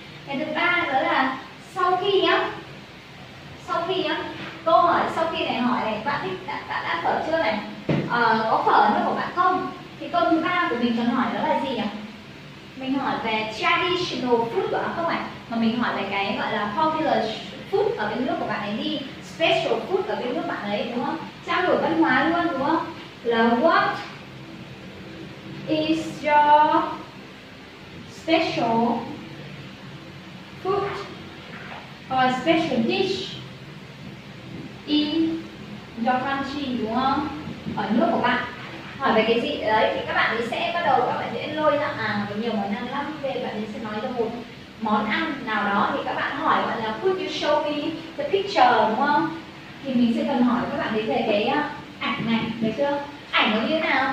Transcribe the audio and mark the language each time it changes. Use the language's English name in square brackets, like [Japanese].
[Vietnamese] Cái thứ ba đó là sau khi nhá câu hỏi sau khi này hỏi này, bạn thích bạn đã phở chưa này, có phở ở nước của bạn không, thì câu thứ ba của mình cần hỏi đó là gì nhỉ? Mình hỏi về traditional food của không ạ? Mà mình hỏi về cái gọi là popular food ở bên nước của bạn ấy đi, special food ở bên nước bạn ấy, đúng không? Trao đổi văn hóa luôn, đúng không? [English] Là what is your special food or special dish in your country, [Vietnamese] đúng không? Ở nước của bạn. Hỏi về cái gì đấy thì các bạn ấy sẽ bắt đầu, các bạn sẽ lôi ra có nhiều món ăn lắm, về bạn ấy sẽ nói ra một món ăn nào đó, thì các bạn hỏi bạn là [English] could you show me the picture, [Vietnamese] đúng không? Thì mình sẽ cần hỏi các bạn ấy về cái ảnh này, được chưa? Ảnh nó như thế nào?